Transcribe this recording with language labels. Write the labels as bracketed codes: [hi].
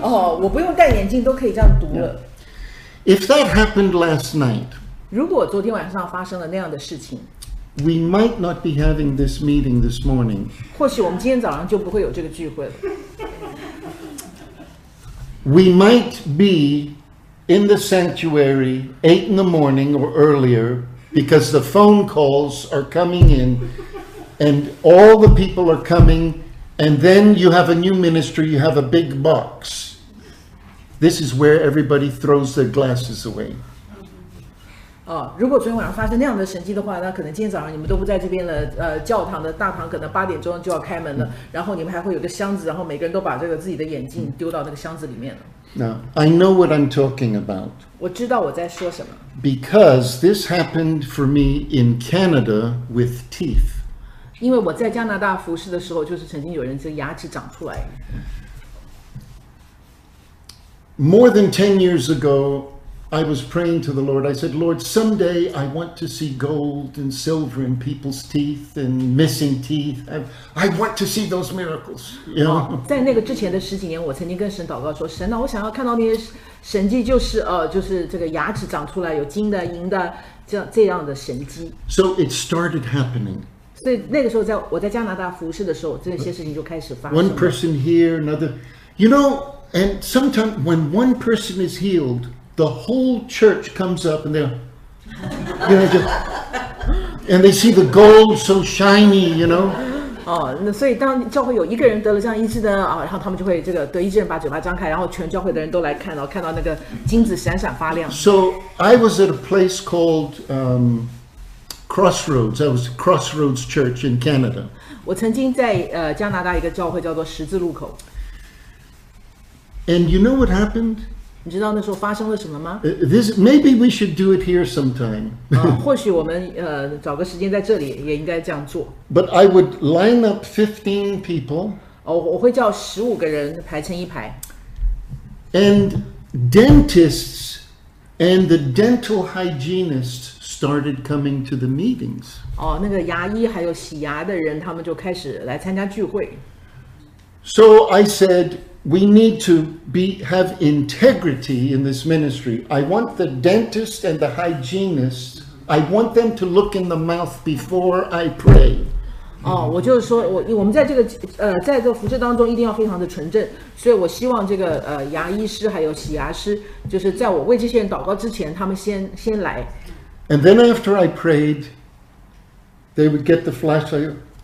[zh] 哦，我不用戴眼镜都可以这样读了。 [en] If that happened last night, [zh] 如果昨天晚上发生了那样的事情, [en] we might not be having this meeting this morning. [zh] 或许我们今天早上就不会有这个聚会了。 [en] We might be in the sanctuary 8 in the morning or earlier because the phone calls are coming in and all the people are coming and then you have a new ministry, you have a big box. This is where everybody throws their glasses away. [zh] 如果昨天晚上发生那样的神迹的话，那可能今天早上你们都不在这边了。教堂的大堂可能8点钟就要开门了，然后你们还会有个箱子，然后每个人都把这个自己的眼镜丢到那个箱子里面了。 [en] Now, I know what I'm talking about. [zh] 我知道我在说什么。 [en] Because this happened for me in Canada with teeth. [zh] 因为我在加拿大服侍的时候，就是曾经有人这牙齿长出来。 [en] More than 10 years ago, I was praying to the Lord. I said, Lord, someday I want to see gold and silver in people's teeth and missing teeth. I want to see those miracles. You know? [zh] 在那个之前的十几年，我曾经跟神祷告说，神啊，我想要看到那些神迹，就是就是这个牙齿长出来，有金的、银的，这样的神迹。 [en] So it started happening. [zh] 所以那个时候在我在加拿大服侍的时候，这些事情就开始发生了。 [en] One person here, another, you know, and sometimes when one person is healed, the whole church comes up and they see the gold so shiny, you know. [zh] 那所以当教会有一个人得了这样医治呢，然后他们就会这个得医治人把嘴巴张开，然后全教会的人都来看，然后看到那个金子闪闪发亮。 [en] So I was at a place called. Crossroads. That was Crossroads Church in Canada. [zh] 我曾经在加拿大一个教会叫做十字路口。 [en] And you know what happened? [zh] 你知道那时候发生了什么吗？ [en] This maybe we should do it here sometime. [zh] 或许我们找个时间在这里也应该这样做。 [en] But I would line up 15 people. [zh] 我会叫15个人排成一排。 [en] And dentists and the dental hygienists. Started coming to the meetings. [zh] 那个牙医还有洗牙的人，他们就开始来参加聚会。 [en] So I said, we need to have integrity in this ministry. I want the dentist and the hygienist. I want them to look in the mouth before I pray. [zh] 我就是说我们在这个在这个服侍当中一定要非常的纯正，所以我希望这个牙医师还有洗牙师，就是在我为这些人祷告之前，他们先来。 [en] And then after I prayed, they would get the flashlight.